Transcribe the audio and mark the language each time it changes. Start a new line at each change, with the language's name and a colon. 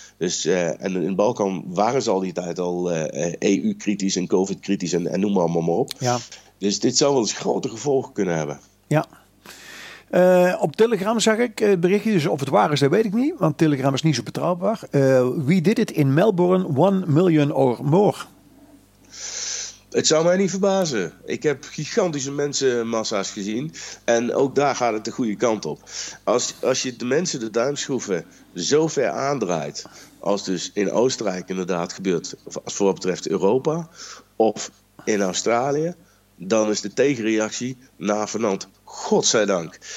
Dutch: Dus, en in de Balkan waren ze al die tijd al EU-kritisch en COVID-kritisch en noem maar op. Ja. Dus dit zou wel eens grote gevolgen kunnen hebben. Ja, Op Telegram zag ik berichtjes, dus of het waar is, dat weet ik niet, want Telegram is niet zo betrouwbaar.
English: We did it in Melbourne, 1 million or more.
Dutch: Het zou mij niet verbazen. Ik heb gigantische mensenmassa's gezien. En ook daar gaat het de goede kant op. Als je de mensen de duimschroeven zo ver aandraait, als dus in Oostenrijk inderdaad gebeurt, als voor wat betreft Europa, of in Australië, dan is de tegenreactie navenant. Godzijdank.